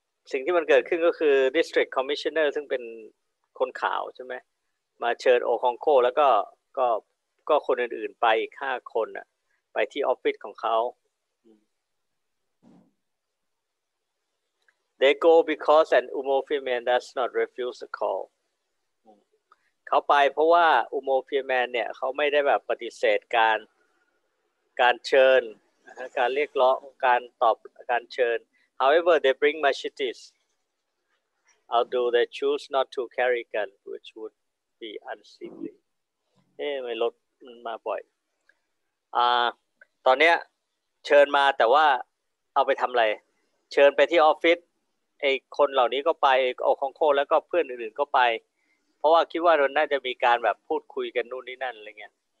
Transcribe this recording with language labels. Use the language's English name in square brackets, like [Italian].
[Thai] สิ่งที่มันเกิดขึ้นก็คือ district commissioner ซึ่งเป็นคนขาวใช่ไหมมาเชิญโอคองโคแล้วก็คนอื่นๆไปอีก5คนอะไปที่ออฟฟิศของเขา [English] They go because an Umofiman does not refuse the call. [Thai] เขาไปเพราะว่า Umofiman เนี่ยเขาไม่ได้แบบปฏิเสธการเชิญการเรียกร้องการตอบการเชิญ [English] However they bring machetes. Although they choose not to carry gun which would be unseemly. [Thai] ไม่ลดมันมาบ่อยตอนเนี้ยเชิญมาแต่ว่าเอาไปทำอะไรเชิญไปที่ออฟฟิศไอ้คนเหล่านี้ก็ไปโอคองโคแล้วก็เพื่อนอื่นๆก็ไปเพราะว่าคิดว่ามันน่าจะมีการแบบพูดคุยกันนู่นนี่นั่นอะไรเงี้ย